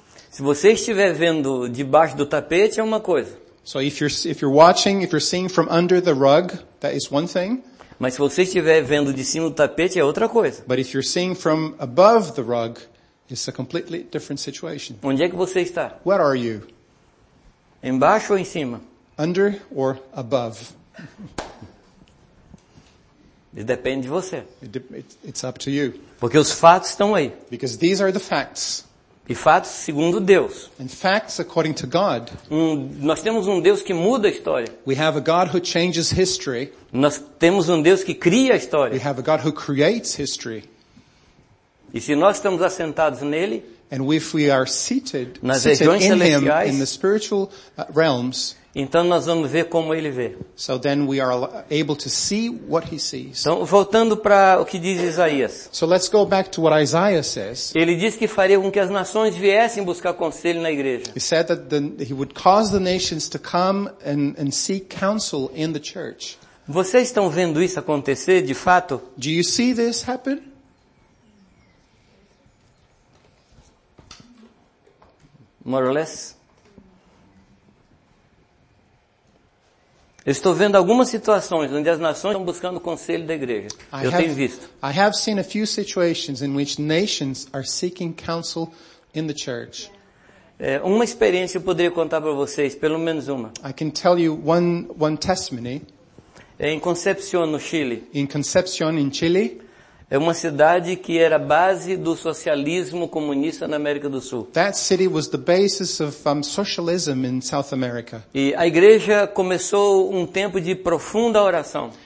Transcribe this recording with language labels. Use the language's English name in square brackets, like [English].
[Portuguese] Se você estiver vendo debaixo do tapete é uma coisa. [English] So if you're watching, if you're seeing from under the rug, that is one thing. [Portuguese] Mas se você estiver vendo de cima do tapete é outra coisa. [English] But if you're seeing from above the rug, it's a completely different situation. [Portuguese] Onde é que você está? [English] Where are you? [Portuguese] Embaixo ou em cima? [English] Under or above? [Portuguese] Depende de você. [English] It's up to you. [Portuguese] Porque os fatos estão aí. [English] Because these are the facts. [Portuguese] E fatos segundo Deus. [English] And facts according to God. [Portuguese] Nós temos um Deus que muda a história. [English] We have a God who changes history. [Portuguese] Nós temos um Deus que cria a história. [English] We have a God who creates history. [Portuguese] E se nós estamos assentados nele, [English] and if we are seated, [Portuguese] nas regiões celestiais, [English] in the spiritual realms, [Portuguese] então nós vamos ver como ele vê. [English] So then we are able to see what he sees. [Portuguese] Então, voltando para o que diz Isaías. [English] So let's go back to what Isaiah says. [Portuguese] Ele diz que faria com que as nações viessem buscar conselho na igreja. [English] He said that he would cause the nations to come and seek counsel in the church. [Portuguese] Vocês estão vendo isso acontecer de fato? [English] Do you see this happen? More or less. [Portuguese] Eu estou vendo algumas situações onde as nações estão buscando o conselho da igreja. Eu tenho visto. [English] I have seen a few situations in which nations are seeking counsel in the church. [Portuguese] Uma experiência eu poderia contar para vocês, pelo menos uma. [English] I can tell you one testimony. [Portuguese] Em Concepción, no Chile. [English] In Concepción, in Chile. [Portuguese] É uma cidade que era base do socialismo comunista na América do Sul. [English] That city was the basis of socialism in South America. [Portuguese] E a igreja começou um tempo de profunda oração.